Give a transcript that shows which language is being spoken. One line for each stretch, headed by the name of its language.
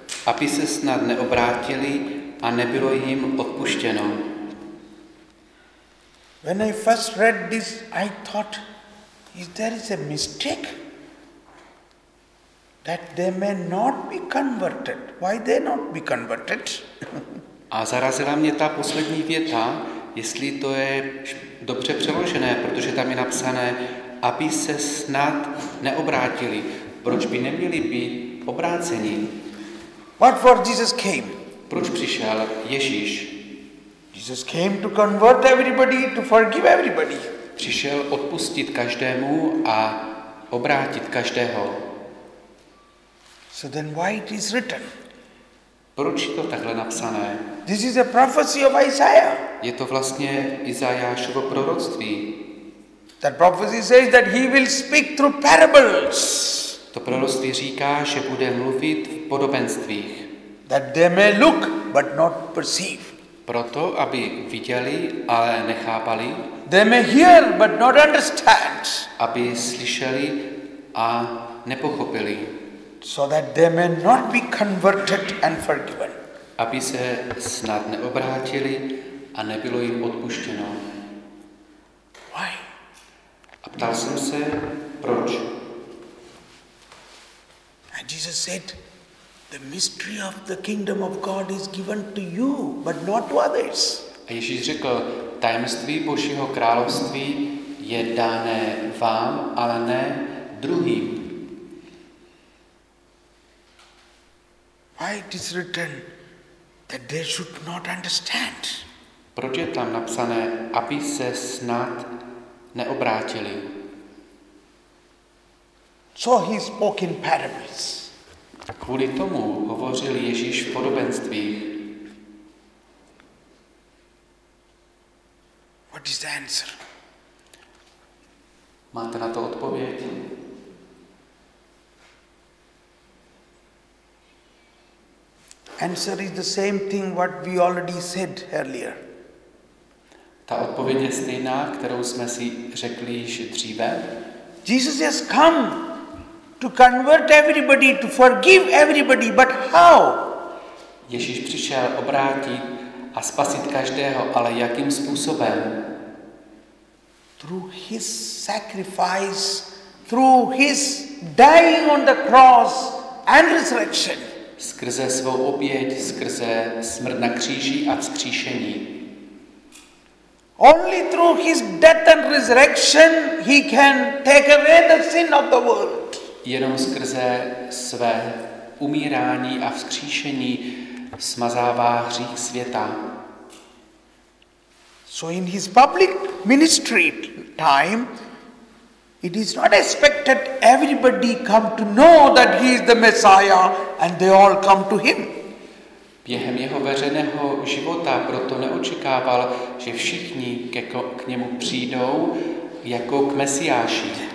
Czech: Aby se snad neobrátili a nebylo jim odpuštěno.
English: When I first read this, I thought, is there a mistake? That they may not be converted. Why they not be converted?
Czech: A zarazila mě ta poslední věta, jestli to je dobře přeložené, protože tam je napsané, aby se snad neobrátili. Proč by neměli být obráceni?
English: What for Jesus came?
Czech: Proč přišel Ježíš?
English: Jesus came to convert everybody, to forgive everybody.
Czech: Přišel odpustit každému a obrátit každého.
English: So then why it is written?
Czech: Proč je to takhle napsané?
English: This is a prophecy of Isaiah.
Czech: Je to vlastně Izajášovo proroctví.
English: That prophecy says that he will speak through parables.
Czech: To proroctví říká, že bude mluvit v podobenstvích.
English: That they may look but not perceive.
Czech: Proto, aby viděli, ale nechápali.
English: They may hear, but not understand.
Czech: Aby slyšeli a nepochopili.
English: So that they may not be converted and forgiven.
Czech: Aby se snad neobrátili a nebylo jim odpuštěno.
English: Why?
Czech: A ptal jsem se, proč?
English: And Jesus said, the mystery of the kingdom of God is given to you, but not to others.
Czech: A Ježíš řekl, tajemství Božího království je dáno vám, ale ne druhým.
English: Why it is written that they should not understand?
Czech: Proč je tam napsané, aby se snad neobrátili?
English: So he spoke in parables.
Czech: Kvůli tomu hovořil Ježíš v podobenstvích.
English: What is the answer?
Czech: Máte na to odpověď?
English: Answer is the same thing what we already said earlier.
Czech: Ta odpověď je stejná, kterou jsme si řekli již dříve.
English: Jesus has come to convert everybody, to forgive everybody, but how?
Czech: Ježíš přišel obrátit a spasit každého, ale jakým způsobem?
English: Through his sacrifice, through his dying on the cross and resurrection.
Czech: Skrze svou oběť, skrze smrt na kříži a vzkříšení.
English: Only through his death and resurrection he can take away the sin of the world.
Czech: Jenom skrze své umírání a vzkříšení smazává hřích světa.
English: So in his public ministry time, it is not expected everybody come to know that he is the Messiah and they all come to him.
Czech: Během jeho veřejného života proto neočekával, že všichni k němu přijdou jako k Mesiáši.